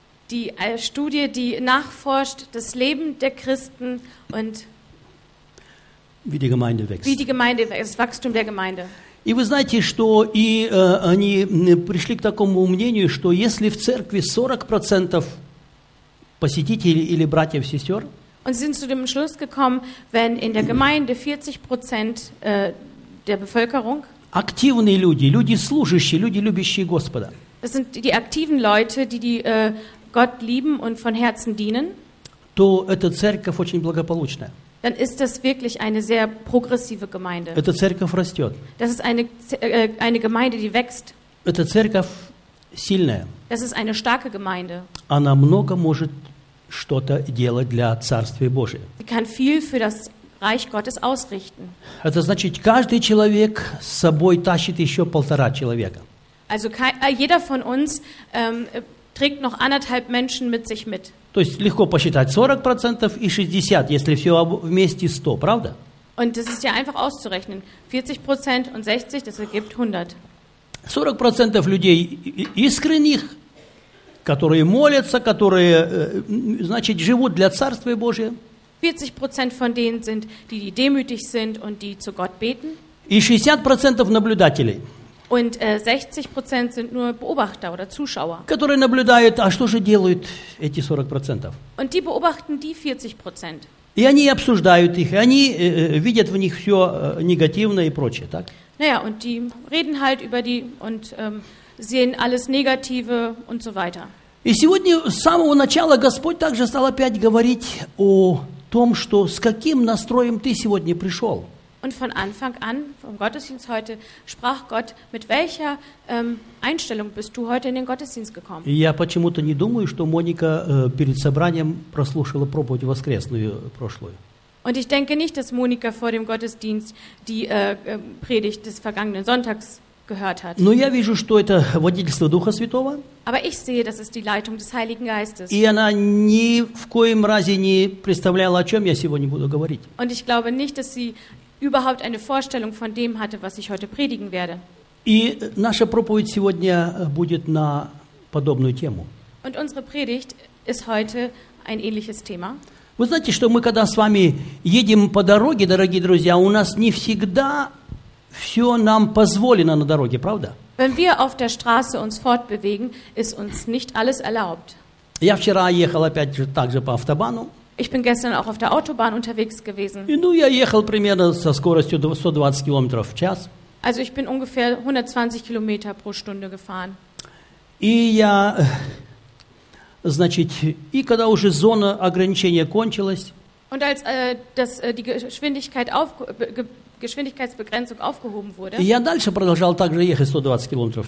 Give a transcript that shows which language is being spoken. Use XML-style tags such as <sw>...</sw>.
<de>Die Studie, die nachforscht das Leben der Christen und wie die Gemeinde wächst. Wie die Gemeinde wächst, das Wachstum der Gemeinde.</de> <ru>И вы знаете, что и они пришли к такому мнению, что если в церкви 40% посетителей или братьев, сестер,</ru> <de>und sind zu dem Schluss gekommen, wenn in der Gemeinde 40% der Bevölkerung</de> <ru>активные люди, люди служащие, люди любящие Господа.</ru> <de>Das sind die aktiven Leute, die Gott lieben und von Herzen dienen.</de> <ru>То эта церковь очень благополучная.</ru> <de>Dann ist das wirklich eine sehr progressive Gemeinde.</de> <ru>Эта церковь растет.</ru> <de>Das ist eine Gemeinde, die wächst.</de> <ru>Эта церковь сильная.</ru> <de>Das ist eine starke Gemeinde.</de> <ru>Она много может что-то делать для Царствия Божия.</ru> <de>Sie kann viel für das Reich Gottes ausrichten.</de> <ru>Это значит, каждый человек с собой тащит еще полтора человека.</ru> <de>Also jeder von uns trägt noch anderthalb Menschen mit sich mit.</de> <ru>То есть легко посчитать 40% и 60, если все вместе 100, правда?</ru> <de>Und das ist ja einfach auszurechnen. 40% und 60, das ergibt 100.</de> <ru>40% людей искренних, которые молятся, которые, значит, живут для Царствия Божия.</ru> <de>40% von denen sind, die demütig sind und die zu Gott beten.</de> <ru>И 60% наблюдателей.</ru> <de>Und 60% sind nur Beobachter oder Zuschauer.</de> <ru>Которые наблюдают, а что же делают эти 40%?</ru> <de>Und die beobachten die 40%.</de> <ru>И они обсуждают их, и они видят в них все негативное и прочее, так?</ru> <de>Naja, und die reden halt über die und sehen alles Negative und so weiter.</de> <ru>И сегодня с самого начала Господь также стал опять говорить о том, что с каким настроем ты сегодня пришел.</ru> <de>Und von Anfang an, vom Gottesdienst heute, sprach Gott, mit welcher Einstellung bist du heute in den Gottesdienst gekommen?</de> <ru>Я почему-то не думаю, что Моника перед собранием прослушала проповедь воскресную прошлую.</ru> <de>Und ich denke nicht, dass Monika vor dem Gottesdienst die Predigt des vergangenen Sonntags gehört hat.</de> <ru>Но я вижу, что это водительство Духа Святого.</ru> <de>Aber ich sehe, das ist die Leitung des Heiligen Geistes.</de> <ru>И она ни в коем разе не представляла, о чем я сегодня буду говорить.</ru> <de>Und ich glaube nicht, dass sie überhaupt eine Vorstellung von dem hatte, was ich heute predigen werde.</de> <ru>И наша проповедь сегодня будет на подобную тему.</ru> <de>Und unsere Predigt ist heute ein ähnliches Thema.</de> <ru>Вы знаете, что мы когда с вами едем по дороге, дорогие друзья, у нас не всегда все нам позволено на дороге, правда?</ru> <de>Wenn wir auf der Straße uns fortbewegen, ist uns nicht alles erlaubt.</de> <ru>Я вчера ехал опять же также по автобану.</ru> <de>Ich bin gestern auch auf der Autobahn unterwegs gewesen.</de> <ru>Ну, я ехал примерно со скоростью 120 км в час.</ru> <de>Also ich bin ungefähr 120 km pro Stunde gefahren.</de> <ru>И я, значит, и когда уже зона ограничения кончилась,</ru> <de>und als die Geschwindigkeitsbegrenzung aufgehoben wurde,</de> <ru>я дальше продолжал также ехать 120 км в час.</ru>